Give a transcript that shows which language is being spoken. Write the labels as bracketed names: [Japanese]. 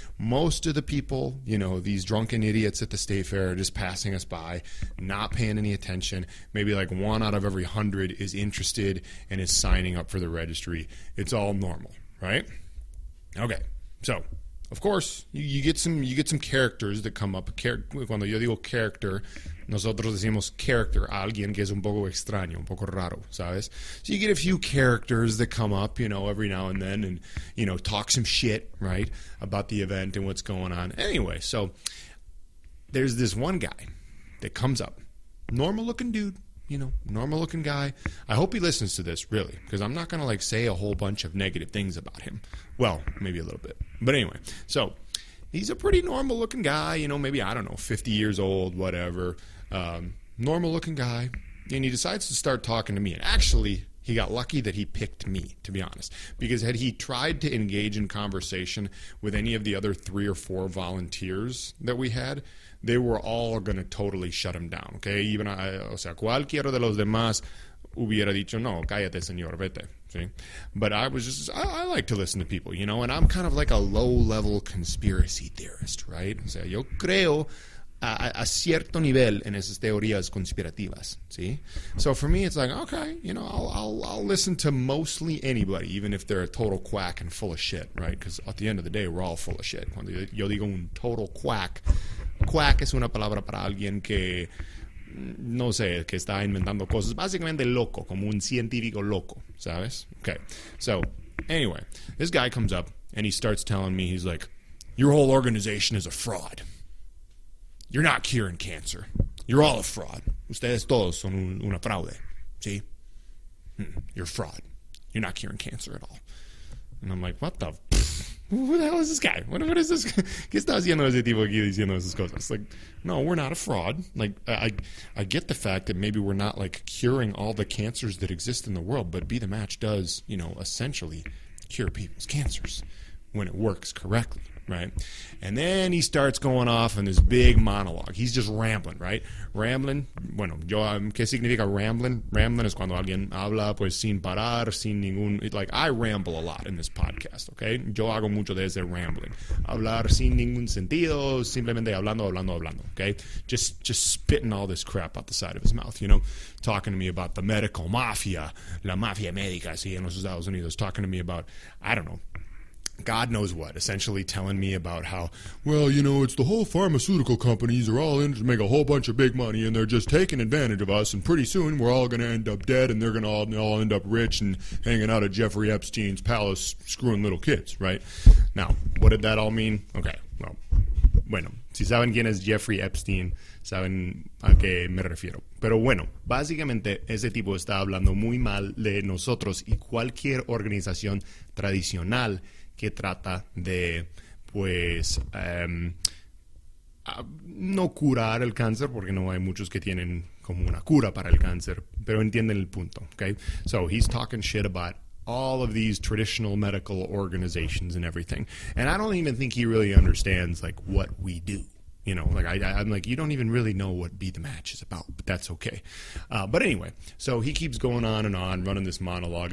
[English] Most of the people, you know, these drunken idiots at the state fair are just passing us by, not paying any attention. Maybe like 1 out of every 100 is interested and is signing up for the registry. It's all normal, right? Okay, so Of course, you get some characters that come up. [Spanish] Cuando yo digo character, nosotros decimos character, alguien que es un poco extraño, un poco raro, ¿sabes? [English] So you get a few characters that come up, you know, every now and then, and, you know, talk some shit, right, about the event and what's going on. Anyway, so there's this one guy that comes up, normal-looking dude, you know, normal-looking guy. I hope he listens to this, really, because I'm not going to, like, say a whole bunch of negative things about him. Well, maybe a little bit. But anyway, so he's a pretty normal-looking guy, you know, maybe, I don't know, 50 years old, whatever. Normal-looking guy, and he decides to start talking to me. And actually, he got lucky that he picked me, to be honest, because had he tried to engage in conversation with any of the other three or four volunteers that we had, they were all going to totally shut him down, okay? [Spanish] Even, o sea, cualquiera de los demás hubiera dicho, no, cállate, señor, vete. [English] But I was just, I like to listen to people, you know, and I'm kind of like a low-level conspiracy theorist, right? [Spanish] O sea, yo creo a cierto nivel en esas teorías conspirativas, ¿sí? [English] So for me, it's like, okay, you know, I'll listen to mostly anybody, even if they're a total quack and full of shit, right? Because at the end of the day, we're all full of shit. [Spanish] Cuando yo digo un total quack, quack es una palabra para alguien que, no sé, que está inventando cosas. Básicamente loco, como un científico loco, ¿sabes? [English] Okay, so anyway, this guy comes up and he starts telling me, he's like, your whole organization is a fraud. You're not curing cancer. You're all a fraud. [Spanish] Ustedes todos son una fraude, ¿sí? [English] You're a fraud. You're not curing cancer at all. And I'm like, what the who the hell is this guy? What is this? [Spanish] ¿Qué está haciendo ese tipo aquí diciendo esas cosas? [English] Like, no, we're not a fraud. Like, I get the fact that maybe we're not, like, curing all the cancers that exist in the world, but Be The Match does, you know, essentially cure people's cancers when it works correctly, right? And then he starts going off in this big monologue. He's just rambling, right? Rambling, [Spanish] bueno, yo, ¿qué significa rambling? Rambling es cuando alguien habla, pues, sin parar, sin ningún, [English] like, I ramble a lot in this podcast, okay? [Spanish] Yo hago mucho de ese rambling. Hablar sin ningún sentido, simplemente hablando, hablando, hablando, okay? [English] Just spitting all this crap out the side of his mouth, you know? Talking to me about the medical mafia, [Spanish] la mafia médica, sí, en los Estados Unidos. [English] Talking to me about, I don't know, God knows what, essentially telling me about how, well, you know, it's the whole pharmaceutical companies are all in to make a whole bunch of big money, and they're just taking advantage of us, and pretty soon we're all going to end up dead, and they're going to all end up rich and hanging out at Jeffrey Epstein's palace screwing little kids, right? Now, what did that all mean? [Spanish] Okay, well, bueno, si saben quién es Jeffrey Epstein, saben a qué me refiero. Pero bueno, básicamente ese tipo está hablando muy mal de nosotros y cualquier organización tradicional que trata de, pues, no curar el cáncer, porque no hay muchos que tienen como una cura para el cáncer, pero entienden el punto, okay? [English] So he's talking shit about all of these traditional medical organizations and everything. And I don't even think he really understands, like, what we do. You know, like, I'm like, you don't even really know what Be The Match is about, but that's okay. But anyway, so he keeps going on and on, running this monologue.